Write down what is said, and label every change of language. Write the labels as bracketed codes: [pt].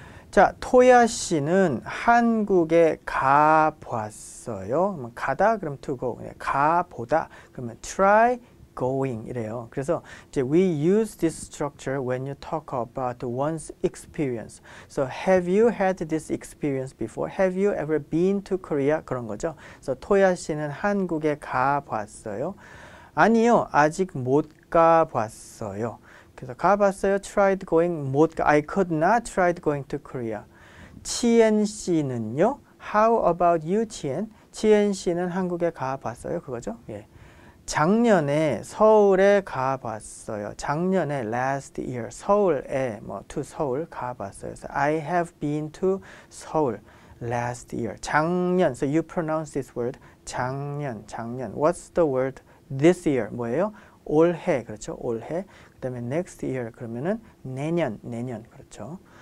[ko] 자, 토야 씨는 한국에 가 보았어요. 가다 그럼 [en] to go. [ko] 가 보다 그러면 [en] try going [ko] 이래요. 그래서 이제 [en] we use this structure when you talk about one's experience. So have you had this experience before? Have you ever been to Korea? [ko] 그런 거죠. [en] So [ko] 토야 씨는 한국에 가 보았어요. 아니요, 아직 못가 보았어요. 그래서 가봤어요. [en] Tried going, [ko] 못 가. [en] I could not tried going to Korea. [ko] 치엔 씨는요? [en] How about you, 치엔? [ko] 치엔 씨는 한국에 가봤어요. 그거죠? 예. 작년에 서울에 가봤어요. 작년에 [en] last year [ko] 서울에 뭐 to 서울 가봤어요. [en] So I have been to 서울 last year. [ko] 작년. [en] So you pronounce this word. [ko] 작년, 작년. [en] What's the word this year? [ko] 뭐예요? 올해, 그렇죠? 올해. 그다음에 [en] next year [ko] 그러면은 내년, 내년, 그렇죠?